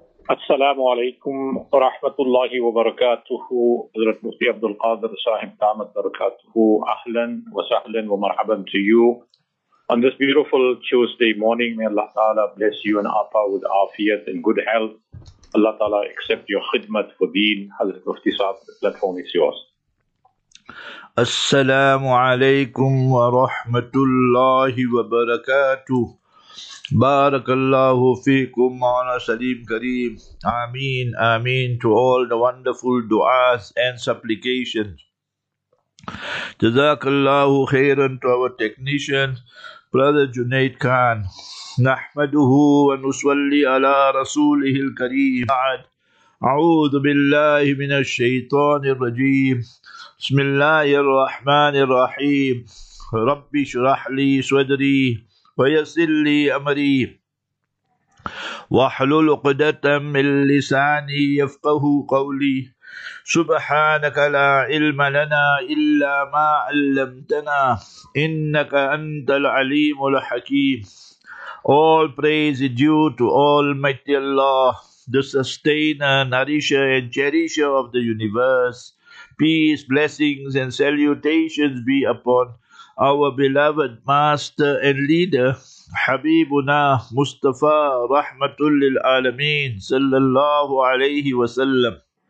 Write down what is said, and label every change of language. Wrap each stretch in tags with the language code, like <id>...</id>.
<ar>السلام عليكم ورحمة الله وبركاته. حضرة المفتي عبد القادر صاحب دعمة بركاته، أهلا وسهلا ومرحبا</ar> <en>to you on this beautiful Tuesday morning. May Allah Ta'ala bless you and Apa with afiyat and good health. Allah Ta'ala accept your khidmat for deen.</en> <ar>حضرة المفتي صاحب،</ar> <en>the platform is yours.</en> <ar>السلام عليكم ورحمة الله وبركاته. بارك الله فيكم وعلى سليم كريم.</ar> <en>آمين آمين to all the wonderful du'as and supplications.</en> <ar>جزاك الله خيرا</ar> <en>to our technician, brother Junaid Khan.</en> <ar>نحمده ونصلي على رسوله الكريم. أعوذ بالله من الشيطان الرجيم. بسم الله الرحمن الرحيم. ربي اشرح لي صدري ويسر لي أمري واحلل عقدة من لساني يفقه قولي. سبحانك لا علم لنا إلا ما علمتنا إنك أنت العليم الحكيم.</ar> <en>All praise is due to Almighty Allah, the sustainer, nourisher and cherisher of the universe. Peace, blessings and salutations be upon our beloved master and leader, Habibuna Mustafa Rahmatul Lil Alameen Sallallahu Alaihi Wasallam.</en>